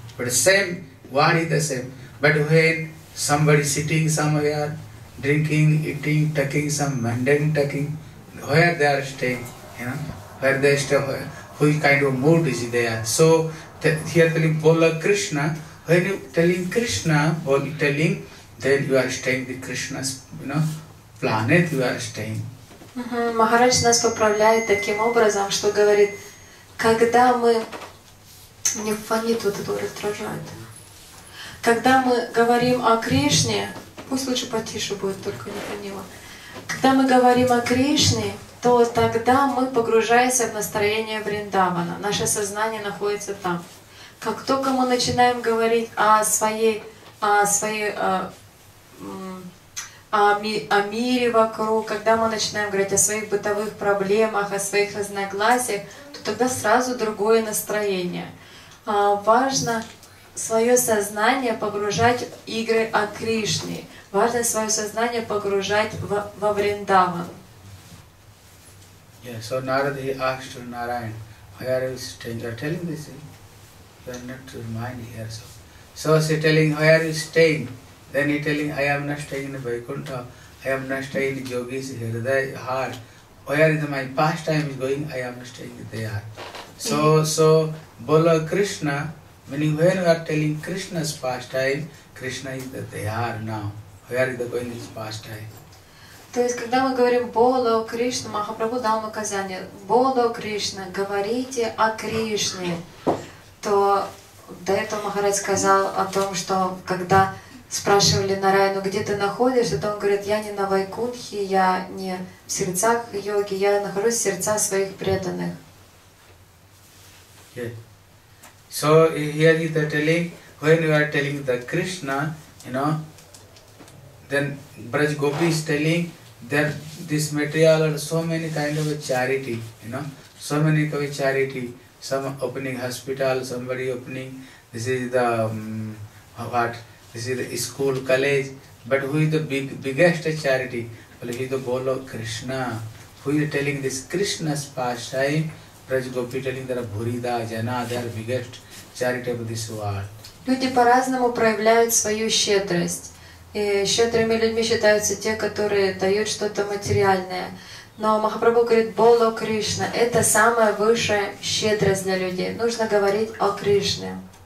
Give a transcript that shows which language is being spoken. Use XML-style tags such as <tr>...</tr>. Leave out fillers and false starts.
<en>But the same, what is the same? But when somebody sitting somewhere, drinking, eating, tucking some mundane tucking, where they are staying, you know, where they stay, who kind of mood is there? So here telling Bola Krishna, when you telling Krishna, Bola telling, then you are staying the Krishna's, you know, planet you are staying.</en> <ru>Махарадж нас поправляет таким образом, что говорит, когда мы... Мне фонит вот это раздражает. Когда мы говорим о Кришне... Пусть лучше потише будет, только не поняла. Когда мы говорим о Кришне, то тогда мы погружаемся в настроение Вриндавана. Наше сознание находится там. Как только мы начинаем говорить о мире вокруг, когда мы начинаем говорить о своих бытовых проблемах, о своих разногласиях, то тогда сразу другое настроение. Важно свое сознание погружать в игры о Кришне. Важно свое сознание погружать во Вриндаван.</ru> <en>Yeah, so Narada asked to Narayan, why are you staying? You are telling this thing. You are not to remind here. So she telling, why are you staying? Then he telling, I am not staying in Vaikuntha, I am not staying in Yogi's Hriday heart. Where is my pastime is going, I am staying there. So Bola Krishna, meaning when you are telling Krishna's pastime, Krishna is there now. Where is the going his pastime?</en> <ru>То есть, когда мы говорим Бола Кришна, Махапрабху дал указание, Бола Кришна, говорите о Кришне, то до этого Махарадж сказал о том, что когда спрашивали Нараяну, где ты находишься, то он говорит, я не на Вайкунхе, я не в сердцах йоги, я нахожусь в сердцах своих преданных.</ru> <en>Yeah. So here is the telling, when you are telling the Krishna, you know, then Braj Gopi is telling that this material are so many kind of a charity, you know, so many kind of charity, some opening hospital, somebody opening, this is the, what, this is the school, college, but who is the biggest charity? Well, he is the goal of Krishna. Who is telling this Krishna's pastime? Braj Gopi telling that Bhurida, Jana, they are biggest charity of this world.</en> <ru>Люди по-разному проявляют свою щедрость. И щедрыми людьми считаются те, которые дают что-то материальное. Но Махапрабху говорит, Боло Кришна, это самая высшая щедрость для людей. Нужно говорить о Кришне.</ru>